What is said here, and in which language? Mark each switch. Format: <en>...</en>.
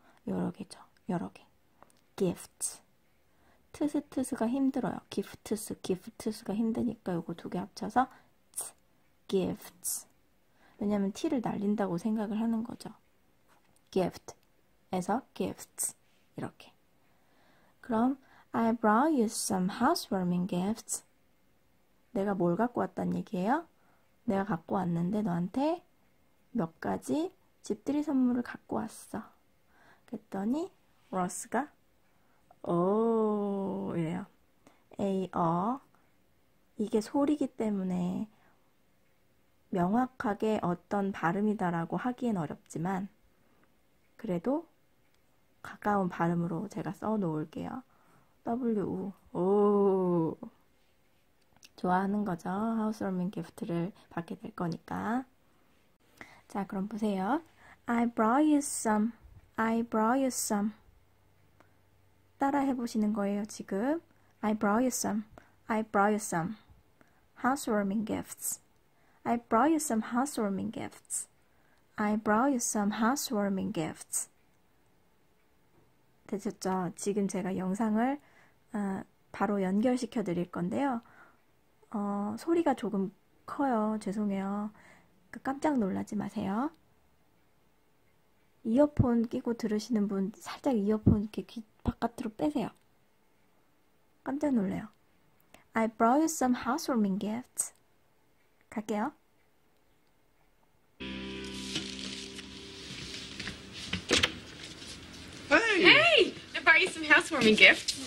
<ko>여러 개죠. 여러 개. gift. 트스트스가 힘들어요. 기프트스, 기프트스가 힘드니까 요거 두개 합쳐서 gifts. 왜냐면 t를 날린다고 생각을 하는 거죠. gift. 에서 gifts 이렇게. 그럼</ko> <en>I brought you some housewarming gifts.</en> <ko>내가 뭘 갖고 왔단 얘기예요? 내가 갖고 왔는데 너한테 몇 가지 집들이 선물을 갖고 왔어. 그랬더니 로스가 오 이래요. 에이어 이게 소리기 때문에 명확하게 어떤 발음이다라고 하기엔 어렵지만 그래도 가까운 발음으로 제가 써 놓을게요. W, O. 좋아하는 거죠. 하우스워밍 기프트를 받게 될 거니까. 자, 그럼 보세요.</ko> <en>I brought you some. I brought you some.</en> <ko>따라 해보시는 거예요, 지금.</ko> <en>I brought you some. I brought you some. Housewarming gifts. I brought you some housewarming gifts. I brought you some housewarming gifts.</en> <ko>되셨죠? 지금 제가 영상을 바로 연결시켜 드릴 건데요. 소리가 조금 커요. 죄송해요. 깜짝 놀라지 마세요. 이어폰 끼고 들으시는 분 살짝 이어폰 이렇게 귀 바깥으로 빼세요. 깜짝 놀래요.</ko> <en>I brought you some housewarming gifts.</en> <ko>갈게요.</ko> <en>Hey, I brought you some housewarming gift.</en>